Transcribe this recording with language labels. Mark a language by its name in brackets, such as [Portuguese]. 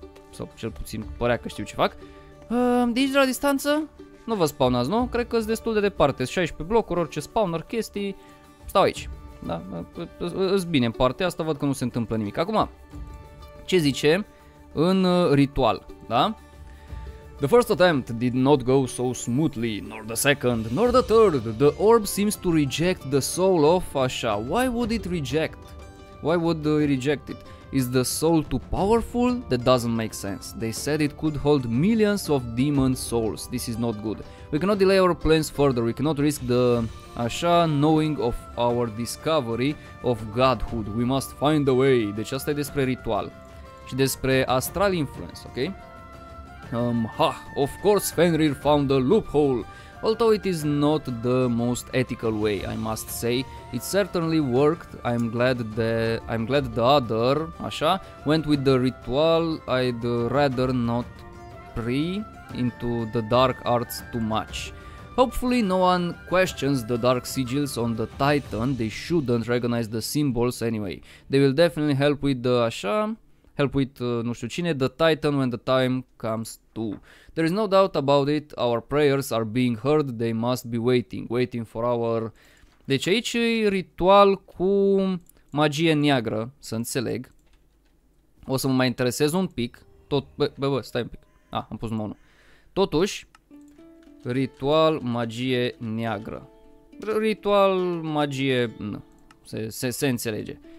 [Romanian] Sau cel puțin părea că știu ce fac. De aici de la distanță nu vă spawnați, nu? Cred că sunt destul de departe. 16 blocuri, orice spawner, chestii. Stau aici. Da? Îs bine în partea asta, văd că nu se întâmplă nimic. Acum, ce zice în ritual, da? [English] The first attempt did not go so smoothly, nor the second, nor the third. The orb seems to reject the soul of... Așa, why would it reject? Why would it reject it? Is the soul too powerful? That doesn't make sense. They said it could hold millions of demon souls. This is not good. We cannot delay our plans further. We cannot risk the așa knowing of our discovery of godhood. We must find a way. [Romanian] Deci asta e despre ritual și despre astral influence, ok? [English] Of course Fenrir found a loophole. Although it is not the most ethical way, I must say, it certainly worked. I'm glad the other, așa, went with the ritual. I'd rather not pry into the dark arts too much. Hopefully no one questions the dark sigils on the Titan. They shouldn't recognize the symbols anyway. They will definitely help with the, așa, help with, [Romanian] nu știu cine, [English] the Titan when the time comes to. There is no doubt about it, our prayers are being heard, they must be waiting for our... [Romanian] Deci aici e ritual cu magie neagră, să înțeleg. O să mă mai interesez un pic. Bă, stai un pic. Am pus numai unul. Totuși, ritual magie neagră. Ritual magie... Se înțelege.